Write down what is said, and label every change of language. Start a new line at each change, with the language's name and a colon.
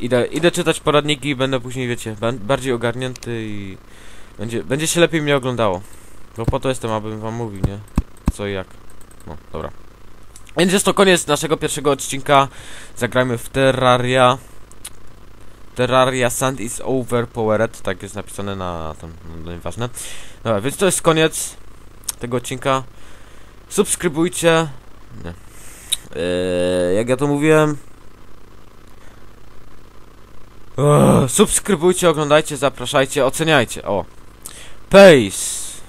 Polish: Idę czytać poradniki i będę później, wiecie, bardziej ogarnięty i... Będzie się lepiej mnie oglądało. Bo po to jestem, abym wam mówił, nie? Co i jak. No, dobra. Więc jest to koniec naszego pierwszego odcinka. Zagrajmy w Terraria.
English: Terraria Sand is overpowered.
Polish: Tak jest napisane na tym, no nieważne. Dobra, więc to jest koniec tego odcinka. Subskrybujcie. Nie. Jak ja to mówiłem. Subskrybujcie, oglądajcie, zapraszajcie, oceniajcie. O. Peace.